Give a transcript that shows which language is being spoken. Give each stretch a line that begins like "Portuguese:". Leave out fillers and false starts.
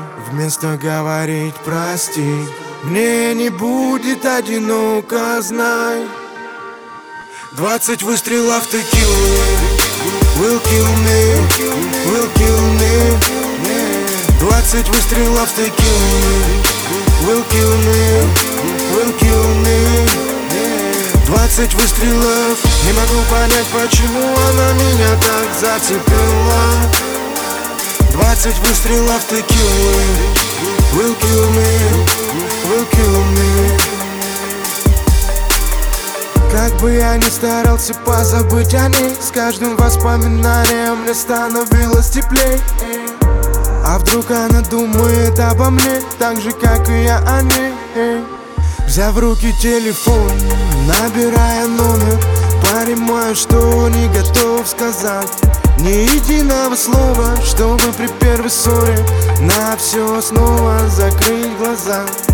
Russian: Вместо говорить прости, мне не будет одиноко, знай. 20 выстрелов текилы.
English: Will kill me, will kill me.
Russian: 20 выстрелов текилы.
English: Will kill me, will kill me.
Russian: 20 выстрелов. Не могу понять, почему она меня так зацепила. 20 выстрелов текилы.
English: Will kill me, will kill me.
Russian: Как бы я ни старался позабыть о ней, с каждым воспоминанием мне становилось теплей. А вдруг она думает обо мне так же, как и я о ней. Взяв в руки телефон, набирая номер, понимаю, что не готов сказать ни единого слова, чтобы при первой ссоре на все снова закрыть глаза.